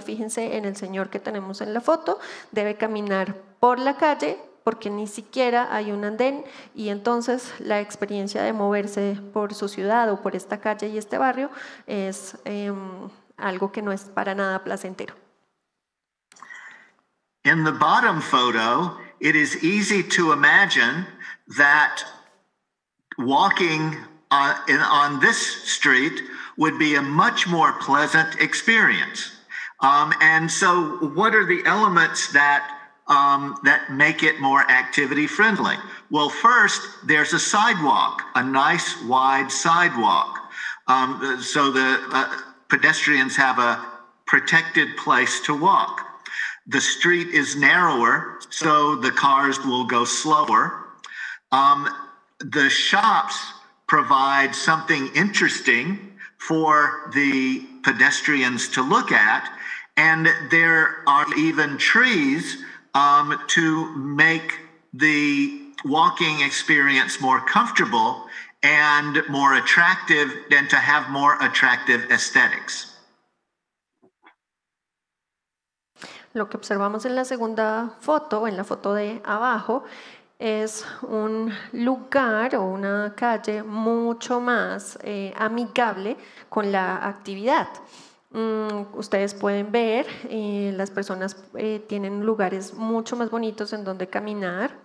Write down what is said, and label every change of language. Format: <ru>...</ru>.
<es>Fíjense en el señor que tenemos en la foto, debe caminar por la calle porque ni siquiera hay un andén y entonces la experiencia de moverse por su ciudad o por esta calle y este barrio es algo que no es para nada placentero.</es> <en>In the bottom photo, it is easy to imagine that walking on this street would be a much more pleasant experience. And so what are the elements that make it more activity friendly? Well, first, there's a sidewalk, a nice wide sidewalk. So the pedestrians have a protected place to walk. The street is narrower, so the cars will go slower. The shops provide something interesting for the pedestrians to look at. And there are even trees to make the walking experience more comfortable and more attractive, and to have more attractive aesthetics.</en> <es>Lo que observamos en la segunda foto, en la foto de abajo, es un lugar o una calle mucho más amigable con la actividad. Ustedes pueden ver, las personas tienen lugares mucho más bonitos en donde caminar.</es>